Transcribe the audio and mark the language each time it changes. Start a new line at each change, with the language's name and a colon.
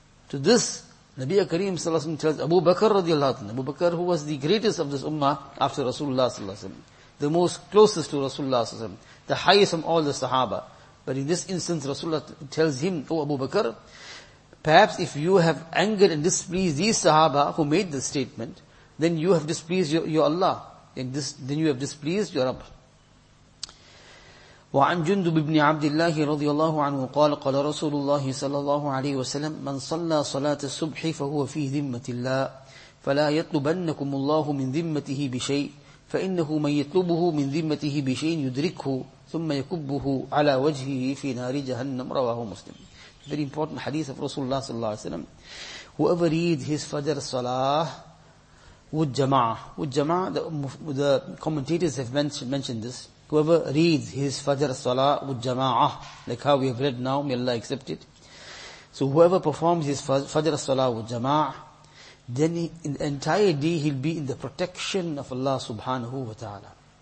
English: To this, Nabi Kareem sallallahu alayhi wa sallam tells Abu Bakr radiallahu ta'ala, Abu Bakr, who was the greatest of this ummah after Rasulullah sallallahu alayhi wa sallam, the most closest to Rasulullah sallallahu alayhi wa sallam, the highest from all the Sahaba. But in this instance, Rasulullah tells him, O Abu Bakr, perhaps if you have angered and displeased these Sahaba who made this statement, then you have displeased your Allah. Then you have displeased your Rabb.
Arabic: وعن جندب بن عبد الله رضي الله عنه قال قال رسول الله صلى الله عليه وسلم من صلى صلاة الصبح فهو في ذمة الله فلا يطلبنكم الله من ذمته بشيء فإنه من يطلبه من ذمته بشيء يدركه ثم يكبه على وجهه في نار جهنم. رواه مسلم.
English: Very important hadith of Rasulullah sallallahu alaihi wasallam. Whoever reads his Fajr Salah with Jama'ah, the commentators have mentioned this. Whoever reads his Fajr Salah with Jama'ah, like how we have read now, may Allah accept it. So whoever performs his Fajr Salah with Jama'ah, then in the entire day he'll be in the protection of Allah subhanahu wa ta'ala.